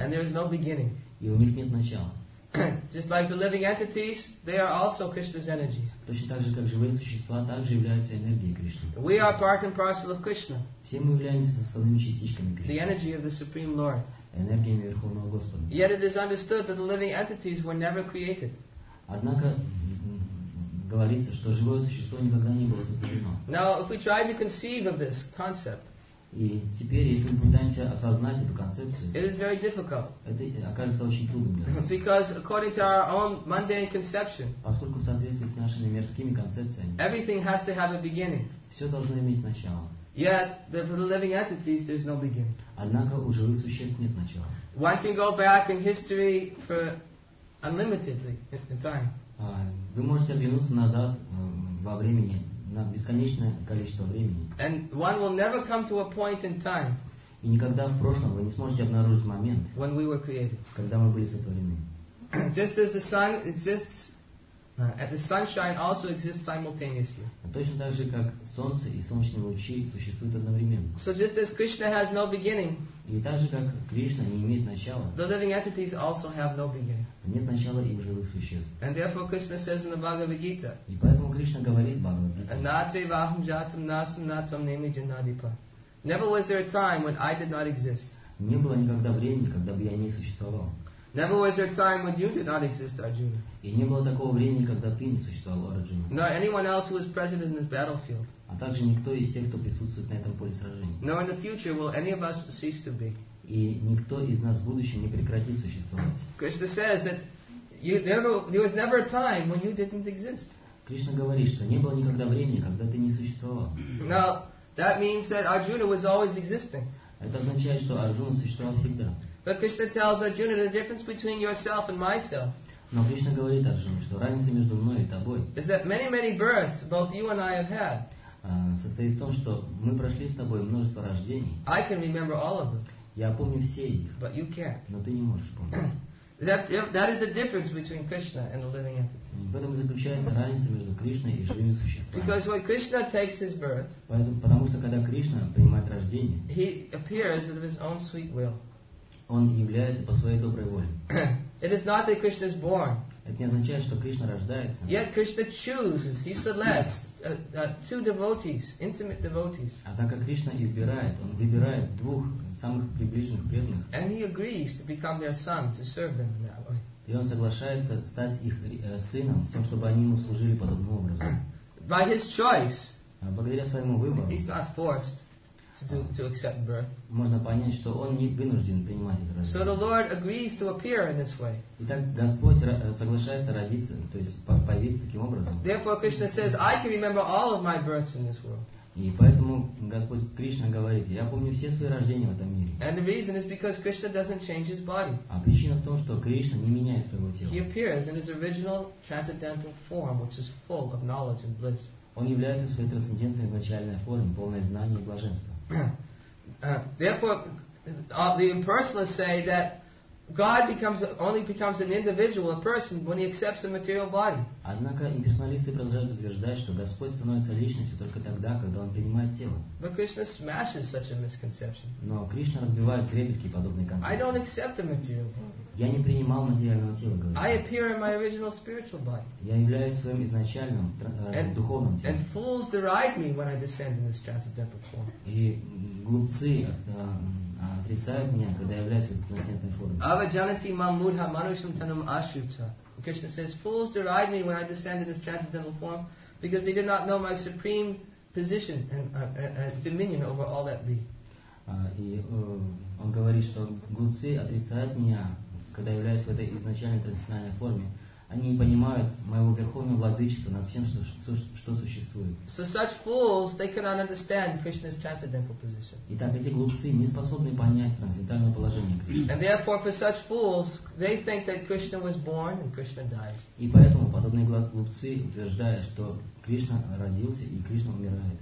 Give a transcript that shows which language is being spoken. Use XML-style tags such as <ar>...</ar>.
<en>And there is no beginning.</en> <ru>И у них нет начала.</ru> <en>Just like the living entities, they are also Krishna's energies.</en> <ru>Точно так же, как живые существа, также являются энергией Кришны.</ru> <en>We are part and parcel of Krishna.</en> <ru>Все мы являемся составными частичками Кришны.</ru> <en>The energy of the Supreme Lord.</en> <ru>Энергиями Верховного Господа.</ru> <en>Yet it is understood that the living entities were never created.</en> <ru>Однако говорится, что живое существо никогда не было сотворено.</ru> <en>Now, if we try to conceive of this concept.</en> <ru>И теперь, если мы пытаемся осознать эту концепцию,</ru> <en>it is very difficult.</en> <ru>Это окажется очень трудным для нас.</ru> <en>Because according to our own mundane conception,</en> <ru>поскольку в соответствии с нашими мирскими концепциями,</ru> <en>everything has to have a beginning.</en> <ru>Все должно иметь начало.</ru> <en>Yet, for the living entities, there's no beginning.</en> <ru>Однако у живых существ нет начала.</ru> <en>One can go back in history for unlimitedly in time.</en> <ru>Вы можете оглянуться назад во времени. На бесконечное количество времени.</ru> <en>And one will never come to a point in time.</en> <ru>И никогда в прошлом вы не сможете обнаружить момент.</ru> <en>When we were created.</en> <ru>Когда мы были сотворены.</ru> <en>Just as the sun exists And the sunshine also exists simultaneously.</en> <ru>Точно так же, как солнце и солнечные лучи существуют одновременно.</ru> <en>So just as Krishna has no beginning,</en> <ru>и так же, как Кришна не имеет начала,</ru> <en>the living entities also have no beginning.</en> <ru>Нет начала и живых существ.</ru> <en>And therefore Krishna says in the Bhagavad Gita,</en> <ru>и поэтому Кришна говорит в Бхагавад Гите,</ru> <sa>Anatve vaham jatam nasam natvam neme janadipa.</sa> <en>Never was there a time when I did not exist.</en> <ru>Не было никогда времени, когда бы я не существовал.</ru> <en>Never was there a time when you did not exist, Arjuna.</en> <ru>И не было такого времени, когда ты не существовал, Арджуна.</ru> <en>Nor anyone else who is present in this battlefield.</en> <ru>А также никто из тех, кто присутствует на этом поле сражений.</ru> <en>Nor in the future will any of us cease to be.</en> <ru>И никто из нас в будущем не прекратит существовать.</ru> <en>Krishna says that there was never a time when you didn't exist.</en> <ru>Кришна говорит, что не было никогда времени, когда ты не существовал.</ru> <en>Now that means that Arjuna was always existing.</en> <ru>Это означает, что Арджуна существовал всегда.</ru> <en>But Krishna tells Arjuna the difference between yourself and myself.</en> <ru>Но Кришна говорит Арджуне, что разница между мной и тобой.</ru> <en>Is that many births both you and I have had?</en> <ru>Состоит в том, что мы прошли с тобой множество рождений.</ru> <en>I can remember all of them.</en> <ru>Я помню все их.</ru> <en>But you can't.</en> <ru>Но ты не можешь помнить.</ru> <en>That is the difference between Krishna and the living entity.</en> <ru>В этом заключается разница между Кришной и живыми существами.</ru> <en>Because when Krishna takes his birth,</en> <ru>потому что когда Кришна принимает рождение,</ru> <en>he appears of his own sweet will.</en> <ru>Он является по своей доброй воле.</ru> <en>It is not that Krishna is born.</en> <ru>Это не означает, что Кришна рождается.</ru> <en>Yet Krishna chooses, he selects two devotees, intimate devotees.</en> <ru>Однако Кришна избирает, он выбирает двух самых приближенных преданных.</ru> <en>And he agrees to become their son, to serve them in that way.</en> <ru>И он соглашается стать их сыном, с тем, чтобы они ему служили подобным образом.</ru> <en>By his choice.</en> <ru>Благодаря своему выбору.</ru> <en>He's not forced. To accept birth.</en> <ru>Можно понять, что он не вынужден принимать это рождение.</ru> <en>So the Lord agrees to appear in this way.</en> <ru>Итак, Господь соглашается родиться, то есть появиться таким образом.</ru> <en>Therefore, Krishna says, I can remember all of my births in this world.</en> <ru>И поэтому Господь Кришна говорит, я помню все свои рождения в этом мире.</ru> <en>And the reason is because Krishna doesn't change his body.</en> <ru>А причина в том, что Кришна не меняет своего тела.</ru> <en>He appears in his original transcendental form, which is full of knowledge and bliss.</en> <ru>Он является в своей трансцендентной изначальной форме, полной знания и блаженства.</ru> <en>Therefore, the impersonalists say that God only becomes an individual, a person, when he accepts a material body.</en> <ru>Однако имперсоналисты продолжают утверждать, что Господь становится личностью только тогда, когда он принимает тело.</ru> <en>But Krishna smashes such a misconception.</en> <ru>Но Кришна разбивает крепости подобной концепции.</ru> <en>I don't accept a material body.</en> <ru>Я не принимал материального тела, говорит.</ru> <en>I appear in my original spiritual body.</en> <ru>Я являюсь своим изначальным духовным телом.</ru> <en>And fools deride me when I descend in this transcendental form.</en> <ru>И глупцы отрицают меня, когда являюсь в трансцендентной форме.</ru> <sa>Avajanati mam mudha manushim tanam ashruta.</sa> <en>Krishna says, fools deride me when I descend in this transcendental form because they did not know my supreme position and dominion over all that be.</en> <ru>Он говорит, что глупцы отрицают меня, когда являюсь в этой изначальной трансцендентной форме. Они не понимают моего верховного владычества над всем, что существует.</ru> <en>So such fools, they cannot understand Krishna's transcendental position.</en> <ru>Итак, эти глупцы не способны понять трансцендентальное положение Кришны.</ru> <en>And therefore, for such fools, they think that Krishna was born and Krishna dies.</en> <ru>И поэтому подобные глупцы утверждают, что Кришна родился и Кришна умирает.</ru>